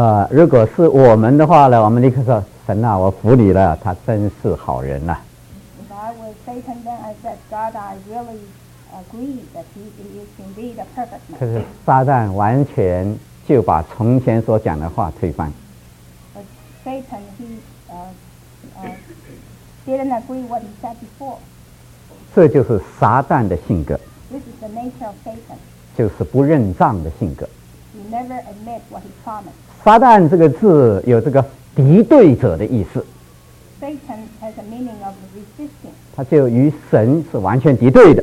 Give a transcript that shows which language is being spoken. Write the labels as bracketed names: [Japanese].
[Chinese] 如果是我们的话呢，我们立刻说：“神啊，我服你了，他真是好人呐。” [English] If I was Satan, then I said, "God, I really agree that he is indeed a perfect man." [Chinese] 可是撒旦完全就把从前所讲的话推翻。 [English] Satan, he didn't agree what he said before. [Chinese] 这就是撒旦的性格。 [English] This is the nature of Satan. [Chinese] 就是不认账的性格。 [English] He never admit what he promised. [Chinese] 撒旦这个字有这个敌对者的意思。 [English] Satan has a meaning of resisting. [Chinese] 他就与神是完全敌对的。